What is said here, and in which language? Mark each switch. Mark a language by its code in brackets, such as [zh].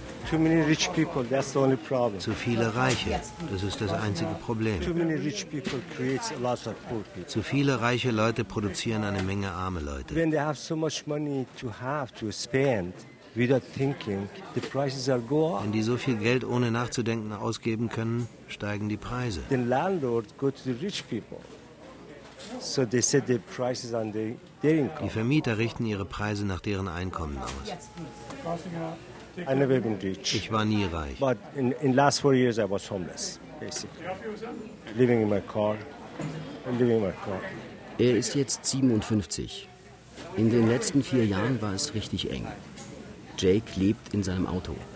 [en] Too many rich people, that's the only problem. [de] Zu viele Reiche, das ist das einzige Problem. [en] Too many rich people creates a lot of poor people. [de] Zu viele reiche Leute produzieren eine Menge arme Leute. [en] When they have so much money to have to spend. [de] Wenn die so viel Geld ohne nachzudenken ausgeben können, steigen die Preise. [en] The landlords go to the rich people, so they set the prices on their income. [de] Die Vermieter richten ihre Preise nach deren Einkommen aus. [en] I never been rich. [de] Ich war nie reich. [en] But in last 4 years I was homeless, basically living in my car. [de] Er ist jetzt 57. In den letzten 4 Jahren war es richtig eng. Jake lebt in seinem Auto.